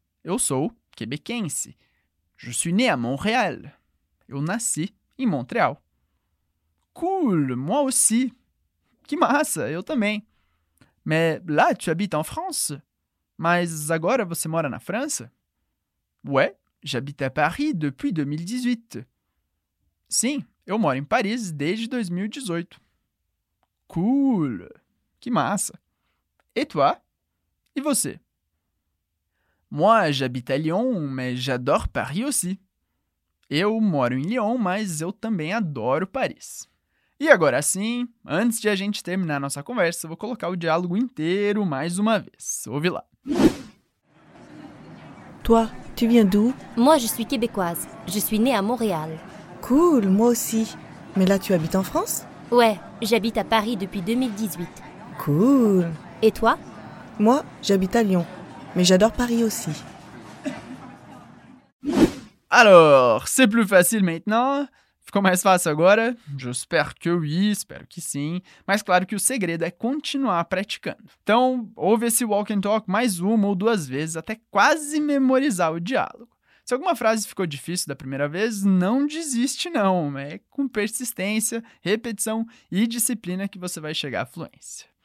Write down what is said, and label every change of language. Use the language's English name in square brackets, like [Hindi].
[Portuguese] Eu sou quebequense. [French] Je suis né à Montréal. [Portuguese] Eu nasci em Montreal. [French] Cool, moi aussi. [Portuguese] Que massa, eu também. [French] Mais là, tu habites en France? [Portuguese] Mas agora você mora na França? [French] Ouais, j'habite à Paris depuis 2018. [Portuguese] Sim, eu moro em Paris desde 2018. [French] Cool, [Portuguese] que massa. [French] Et toi? [Portuguese] E você? [French] Moi, j'habite à Lyon, mais j'adore Paris aussi. [Portuguese] Eu moro em Lyon, mas eu também adoro Paris. E agora sim, antes de a gente terminar nossa conversa, eu vou colocar o diálogo inteiro mais uma vez. Ouve lá. [French] Toi, tu viens d'où? Moi, je suis québécoise. Je suis née à Montréal. Cool, moi aussi. Mais là, tu habites en France? Ouais, j'habite à Paris depuis 2018. Cool. Et toi? Moi, j'habite à Lyon. Mais j'adore Paris aussi. Alors, c'est plus facile maintenant? [Portuguese] Ficou mais fácil agora? [French] J'espère que oui, [Portuguese] espero que sim. Mas claro que o segredo é continuar praticando. Então, ouve esse walk and talk mais uma ou duas vezes até quase memorizar o diálogo. Se alguma frase ficou difícil da primeira vez, não desiste não. É com persistência, repetição e disciplina que você vai chegar à fluência.